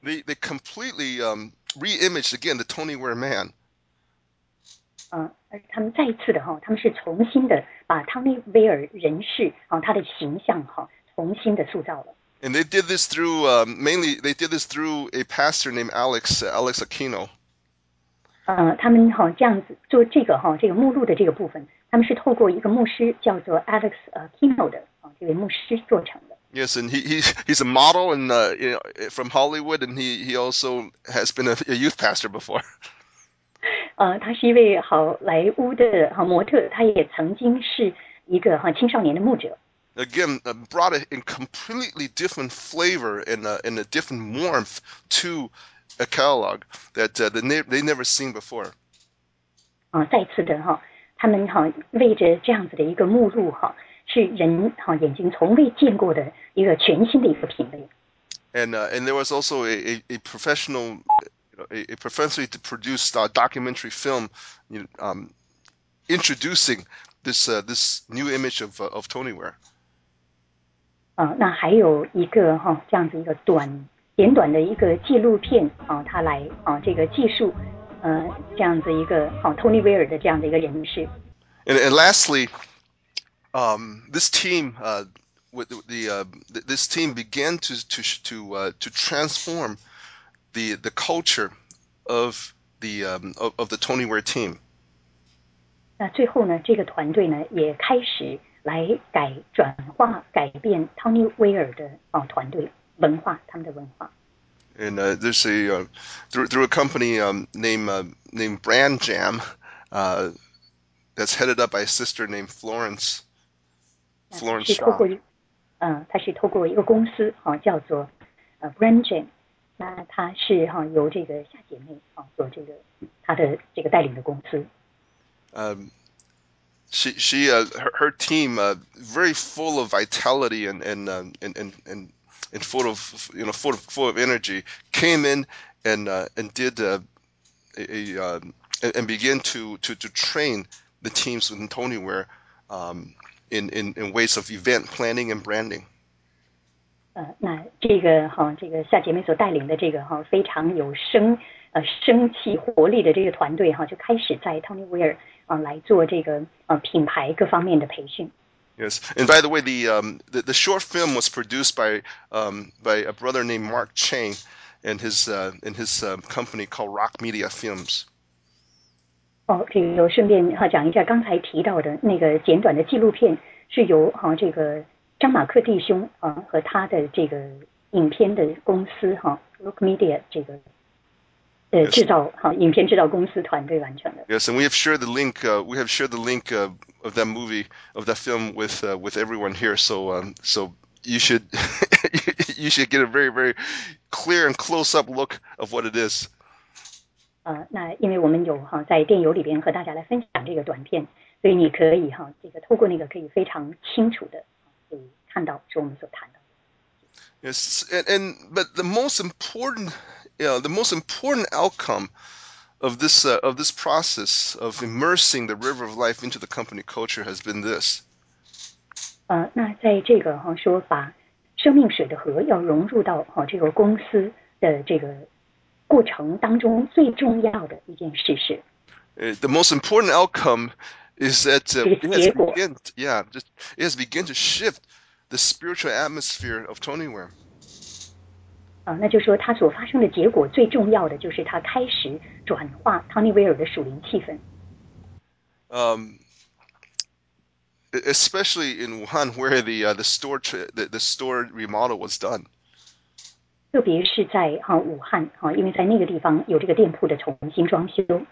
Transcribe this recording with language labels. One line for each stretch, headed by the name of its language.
English: They completely re-imaged again the Tony Ware man.
Chinese: 而他们再一次的，他们是重新的把汤米威尔人士，他的形象，重新的塑造了。
English: And they did this through mainly they did this through a pastor named Alex Aquino.
Chinese: 他们这样子做这个目录的这个部分，他们是透过一个牧师叫做 Alex Aquino 的这位牧师做成的。
English: Yes, and he's a model and you know, from Hollywood, and he also has been a youth pastor before.
Chinese: 他是一位好莱坞的模特，他也曾经是一个青少年的牧者。
English: again, brought a completely different flavor and a different warmth to a catalog that they never seen before.
Chinese: 再次的哈，他们哈为着这样子的一个目录哈，是人哈眼睛从未见过的一个全新的一个品类。
English: And there was also a professional, a professionally produced documentary film, introducing this this new image of Tony Ware.
Chinese: 那还有一个哈这样子一个简短的一个纪录片啊，他来啊这个记述，这样子一个好Tony Ware的这样的一个人士。
English: And lastly, this team with this team began to transform the culture of the Tony Ware team.
Chinese: 那最后呢，这个团队呢也开始来改变 Tony Ware 的啊团队文化，他们的文化。
English: And there's a through a company named Brand Jam, that's headed up by a sister named Florence Shaw.
Chinese: 他是透过一个公司哈，叫做Brand Jam. 那他是哈由这个夏姐妹啊做这个他的这个带领的公司。
English: Her team very full of vitality and and full of, you know, full of energy, came in and did and began to train the teams in Tony Ware in ways of event planning and branding.
Chinese: 那这个哈，这个夏姐妹所带领的这个哈，非常有生气活力的这个团队哈，就开始在 Tony Ware 来做这个品牌各方面的培训。
English: Yes, and by the way, the short film was produced by a brother named Mark Chang, and his company called Rock Media Films.
Chinese: 这个我顺便哈讲一下，刚才提到的那个简短的纪录片是由这个张马克弟兄和他的这个影片的公司Rock Media 这个制造影片制造公司团队完成的。
English: Yes, and we have shared the link. We have shared the link. Of that movie, of that film, with everyone here, so you should you should get a very very clear and close up look of what it is.
Chinese: 那因为我们有哈在电邮里边和大家来分享这个短片，所以你可以哈这个透过那个可以非常清楚的可以看到是我们所谈的。
English: Yes, and but the most important, the most important outcome. Of this process of immersing the River of Life into the company culture has been this.
Chinese: 那在这个哈说把生命水的河要融入到哈这个公司的这个过程当中最重要的一件事是。
English: The most important outcome is that it has begun to shift the spiritual atmosphere of Tony Ware.
Chinese: 那就说它所发生的结果最重要的就是它开始。转化 Tony Ware 的属灵气氛。
English: Especially in Wuhan, where the store remodel was done.
Chinese: 特别是在武汉因为在那个地方有这个店铺的重新装修。